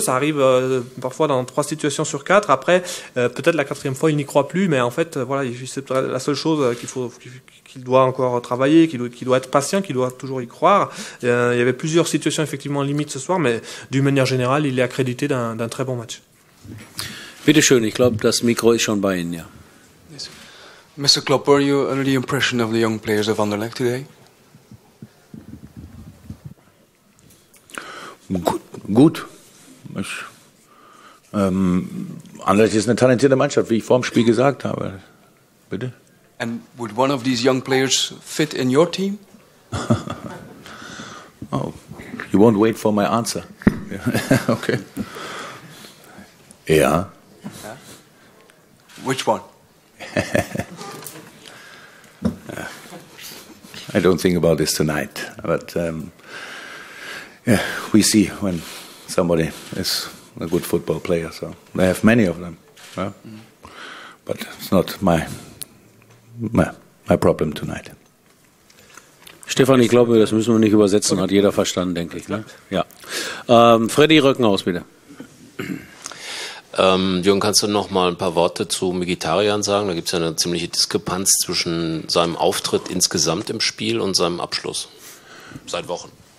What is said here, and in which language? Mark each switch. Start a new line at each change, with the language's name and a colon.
French: Ça arrive parfois dans 3 situations sur 4. Après, peut-être la 4e fois, il n'y croit plus. Mais en fait, voilà, c'est la seule chose qu'il faut... qu'il doit encore travailler, qu'il doit être patient, qu'il doit toujours y croire. Il y avait plusieurs situations effectivement limites ce soir, mais d'une manière générale, il est accrédité d'un très bon match.
German: Bitte schön, ich glaube, das Mikro ist schon bei Ihnen, ja.
English: Yes. Mr. Klopp, were you under the impression of the young players of Anderlecht today?
German: Gut. Anderlecht ist eine talentierte Mannschaft, wie ich vor dem Spiel gesagt habe. Bitte?
English: And would one of these young players fit in your team? Oh, you won't wait for my answer. Okay. Yeah. Which one? I don't think about this tonight. But yeah, we see when somebody is a good football player. So they have many of them. Yeah? But it's not my problem tonight.
German: Stefan, ich glaube, das müssen wir nicht übersetzen. Hat jeder verstanden, denke ich. Ne? Ja. Freddy Röckenhaus, bitte. Jürgen, kannst du noch mal ein paar Worte zu Mkhitaryan sagen? Da gibt es ja eine ziemliche Diskrepanz zwischen seinem Auftritt insgesamt im Spiel und seinem Abschluss seit Wochen.